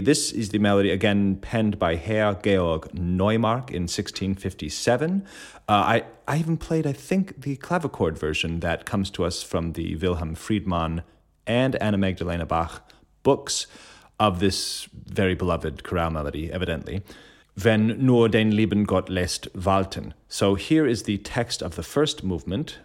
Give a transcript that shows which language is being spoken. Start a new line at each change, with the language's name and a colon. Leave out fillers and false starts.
English: This is the melody, again, penned by Herr Georg Neumark in 1657. I even played, I think, the clavichord version that comes to us from the Wilhelm Friedemann and Anna Magdalena Bach books of this very beloved chorale melody, evidently.
German: Wenn nur den lieben Gott lässt walten.
English: So here is the text of the first movement.